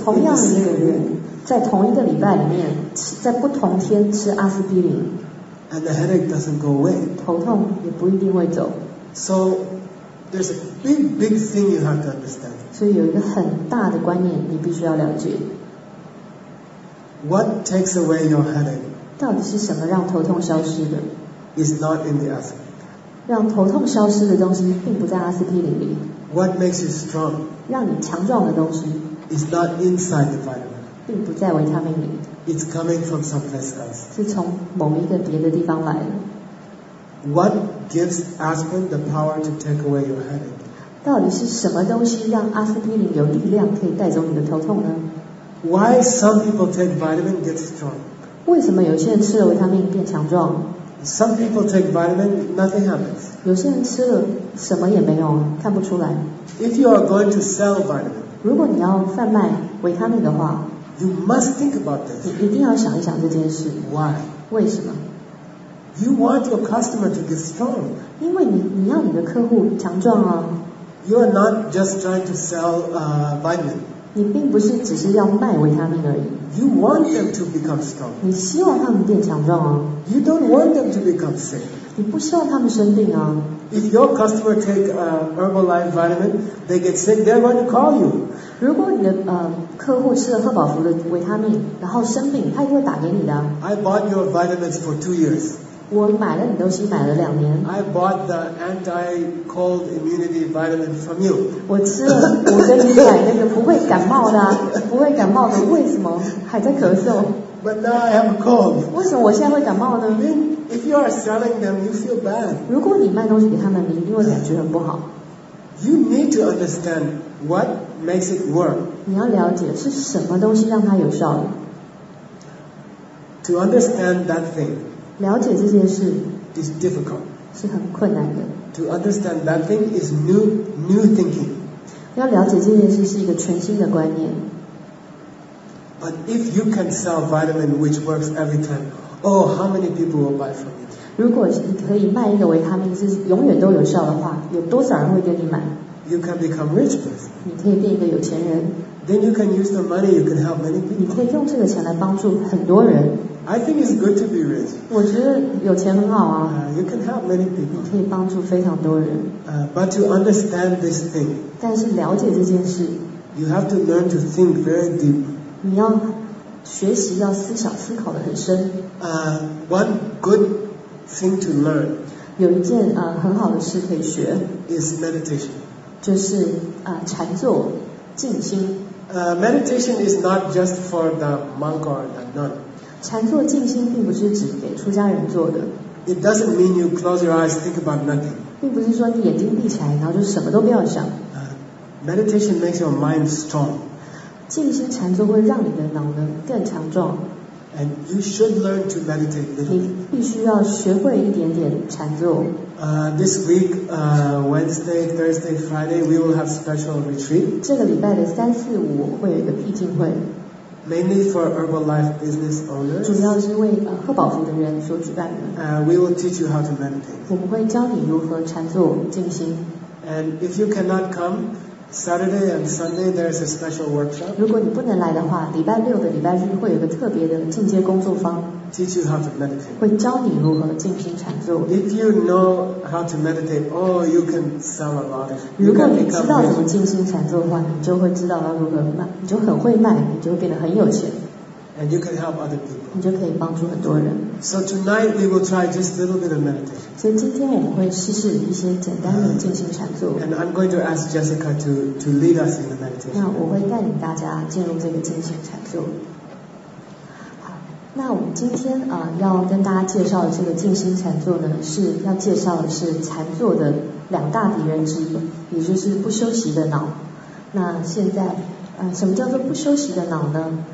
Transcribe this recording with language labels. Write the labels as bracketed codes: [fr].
[zh] 同样的一个人在同一个礼拜里面在不同天吃阿司匹林。 [en] And the headache doesn't go away. [zh] 头痛也不一定会走。 [en] So there's a big thing you have to understand. [zh] 所以有一个很大的观念你必须要了解。 [en] What takes away your headache? [zh] 到底是什么让头痛消失的？ [en] Is not in the aspirin. [zh] 让头痛消失的东西并不在阿司匹林里。 [en] What makes you strong? [zh] 让你强壮的东西。 [en] Is not inside the vitamin. [zh] 并不在维他命里。 [en] It's coming from someplace else. [zh] 是从某一个别的地方来的。 [en] What gives aspirin the power to take away your headache? [zh] 到底是什么东西让阿司匹林有力量可以带走你的头痛呢？ [en] Why some people take vitamin get strong? [zh] 为什么有些人吃了维他命变强壮？ [en] Some people take vitamin, nothing happens. [zh] 有些人吃了什么也没有，看不出来。 [en] If you are going to sell vitamin, [zh] 如果你要贩卖维他命的话， [en] you must think about this. [zh] 你一定要想一想这件事。 [en] Why? [zh] 为什么？ [en] You want your customer to get strong. [zh] 因为你要你的客户强壮啊。 [en] You are not just trying to sell vitamin. [zh] 你并不是只是要卖维他命而已。 [en] You want them to become strong. [zh] 你希望他们变强壮啊。 [en] You don't want them to become sick. [zh] 你不希望他们生病啊。 [en] If your customer take Herbalife vitamin, they get sick, they're going to call you. [zh] 如果你的客户吃了赫宝福的维他命，然后生病，他一定会打给你的。 [en] I bought your vitamins for 2 years. [zh] 我买了你东西买了两年。 [en] I bought the anti-cold immunity vitamin from you. [zh] 我吃了我跟你买那个不会感冒的、啊、不会感冒的，为什么还在咳嗽？ [en] But now I have a cold. [zh] 为什么我现在会感冒呢？ [en] If you are selling them, you feel bad. [zh] 如果你卖东西给他们，你一定会感觉很不好。 [en] You need to understand what makes it work. [zh] 你要了解是什么东西让它有效的。 [en] To understand that thing. [zh] 了解这件事 [en] is difficult. [zh] 是很困难的。 [en] To understand that thing is new thinking. [zh] 要了解这件事是一个全新的观念。 [en] But if you can sell vitamin which works every time, oh, how many people will buy from you? [zh] 如果你可以卖一个维他命是永远都有效的话，有多少人会跟你买？ [en] You can become rich person. [zh] 你可以变一个有钱人。 [en] Then you can use the money, you can help many people. [zh] 你可以用这个钱来帮助很多人。 [en] I think it's good to be rich. [zh] 我觉得有钱很好啊。 [en] You can help many people. [zh] 你可以帮助非常多人。 [en] But to understand this thing, [zh] 但是了解这件事， [en] you have to learn to think very deep. [zh] 你要学习要思想思考的很深。 [en] One good thing to learn, [zh] 有一件很好的事可以学， [en] is meditation. [zh] 就是禅坐静心。 [en] Meditation is not just for the monk or the nun. [zh] 禅坐静心并不是指给出家人做的。 [en] It doesn't mean you close your eyes, think about nothing. [zh] 并不是说你眼睛闭起来，然后就什么都不要想。 [en] Meditation makes your mind strong. [zh] 静心禅坐会让你的脑能更强壮。 [en] And you should learn to meditate a little. [zh] 你必须要学会一点点禅坐。 [en] This week, Wednesday, Thursday, Friday, we will have special retreat. [zh] 这个礼拜的三四五会有一个僻静会。 [en] Mainly for Herbalife business owners. [zh] 主要是为赫宝福的人所举办的。 [en] We will teach you how to meditate. [zh] 我们会教你如何禅坐静心。 [en] And if you cannot come, Saturday and Sunday there is a special workshop. [zh] 如果你不能来的话，礼拜六的礼拜日会有个特别的进阶工作坊。 [en] Teach you how to meditate. [zh] 会教你如何静心禅坐。 [en] If you know how to meditate, oh, you can sell a lot. [zh] 如果你知道怎么静心禅坐的话，你就会知道要如何卖，你就很会卖，你就会变得很有钱。 [en] And you can help other people. [zh] 你就可以帮助很多人。 [en] So tonight we will try just a little bit of meditation. [zh] 所以今天我们会试试一些简单的静心禅坐。 [en] And I'm going to ask Jessica to lead us in the meditation. [zh] 那我会带领大家进入这个静心禅坐。那我们今天要跟大家介绍的这个静心禅坐呢，是要介绍的是禅坐的两大敌人之一，也就是不休息的脑。那现在什么叫做不休息的脑呢？